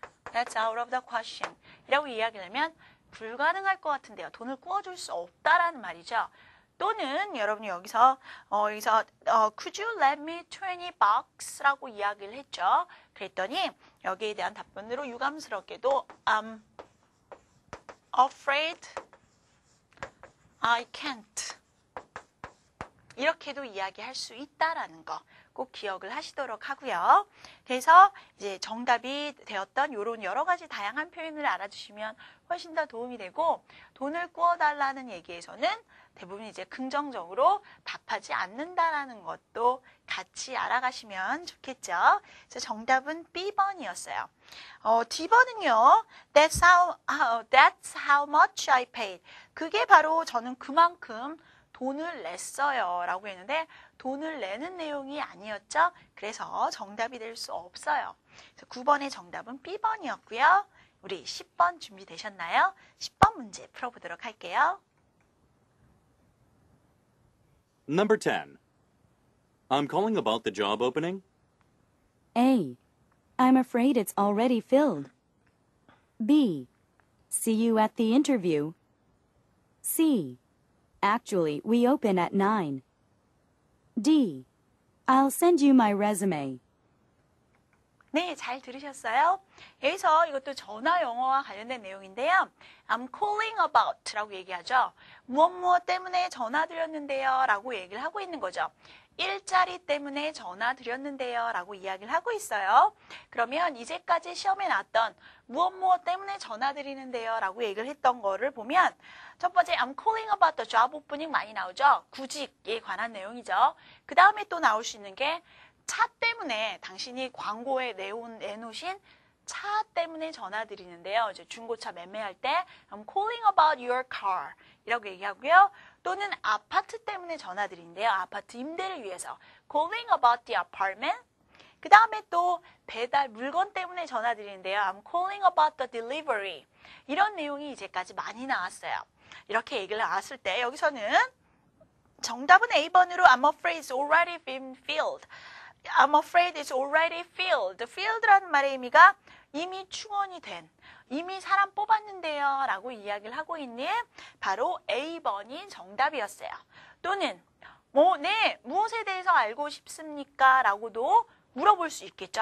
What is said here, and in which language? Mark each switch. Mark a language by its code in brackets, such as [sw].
[en] That's out of the question [ko] 이라고 이야기하면 불가능할 것 같은데요. 돈을 구워줄 수 없다라는 말이죠. 또는 여러분이 여기서 [en] Could you lend me 20 bucks? [ko] 라고 이야기를 했죠. 그랬더니 여기에 대한 답변으로 유감스럽게도 [en] I'm afraid I can't [ko] 이렇게도 이야기할 수 있다라는 거 꼭 기억을 하시도록 하고요. 그래서 이제 정답이 되었던 이런 여러 가지 다양한 표현을 알아주시면 훨씬 더 도움이 되고 돈을 구워달라는 얘기에서는 대부분 이제 긍정적으로 답하지 않는다라는 것도 같이 알아가시면 좋겠죠. 그래서 정답은 B번이었어요. D번은요. [en] That's how much I paid. [ko] 그게 바로 저는 그만큼 돈을 냈어요. 라고 했는데 돈을 내는 내용이 아니었죠. 그래서 정답이 될 수 없어요. 그래서 9번의 정답은 B번이었고요. 우리 10번 준비되셨나요? 10번 문제 풀어보도록 할게요. [en] Number 10. I'm calling about the job opening. A. I'm afraid it's already filled. B. See you at the interview. C. Actually, we open at 9. D. I'll send you my resume. [ko] 네, 잘 들으셨어요? 여기서 이것도 전화 영어와 관련된 내용인데요. [en] I'm calling about [ko] 라고 얘기하죠. 무엇무엇 때문에 전화 드렸는데요 라고 얘기를 하고 있는 거죠. 일자리 때문에 전화 드렸는데요 라고 이야기를 하고 있어요. 그러면 이제까지 시험에 나왔던 무엇무엇 때문에 전화 드리는데요 라고 얘기를 했던 거를 보면 첫 번째 [en] I'm calling about the job opening [ko] 많이 나오죠. 구직에 관한 내용이죠. 그 다음에 또 나올 수 있는 게 차 때문에 당신이 광고에 내놓으신 차 때문에 전화드리는데요. 이제 중고차 매매할 때 [en] I'm calling about your car [ko] 이라고 얘기하고요. 또는 아파트 때문에 전화드리는데요. 아파트 임대를 위해서 [en] calling about the apartment. [ko] 그 다음에 또 배달 물건 때문에 전화드리는데요. [en] I'm calling about the delivery. [ko] 이런 내용이 이제까지 많이 나왔어요. 이렇게 얘기를 나왔을 때 여기서는 정답은 A번으로 [en] I'm afraid it's already been filled. I'm afraid it's already filled. [ko] Filled라는 말의 의미가 이미 충원이 된, 이미 사람 뽑았는데요 라고 이야기를 하고 있는 바로 A번이 정답이었어요. 또는 뭐, 네, 무엇에 대해서 알고 싶습니까? 라고도 물어볼 수 있겠죠.